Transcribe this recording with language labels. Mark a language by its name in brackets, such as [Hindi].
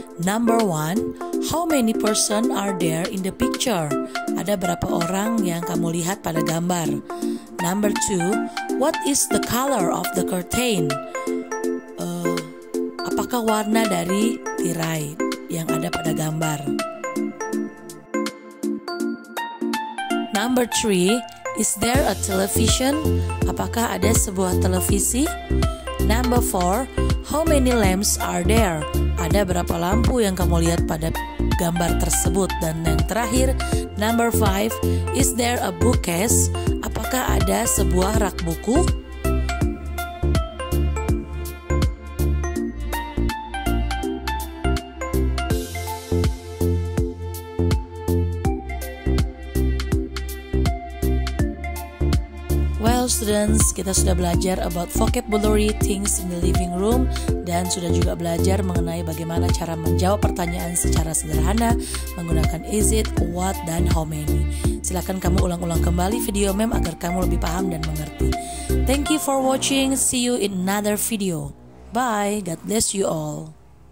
[English] Number 1, how many person are there in the picture? [Indonesian] Ada berapa orang yang kamu lihat pada gambar? [English] Number 2, what is the color of the curtain? [Indonesian] Apakah warna dari tirai yang ada pada gambar? [English] Number 3, is there a television? [Indonesian] Apakah ada sebuah televisi? [English] Number 4, how many lamps are there? [Indonesian] Ada berapa lampu yang kamu lihat pada gambar tersebut? Dan yang terakhir, [English] number 5, is there a bookcase? [Indonesian] Apakah ada sebuah rak buku? Students, kita sudah belajar [English] about vocabulary things in the living room [Indonesian] dan sudah juga belajar mengenai bagaimana cara menjawab pertanyaan secara sederhana menggunakan [English] is it, what, [Indonesian] dan [English] how many. [Indonesian] Silakan kamu ulang-ulang kembali video Mem agar kamu lebih paham dan mengerti. [English] Thank you for watching. See you in another video. Bye. God bless you all.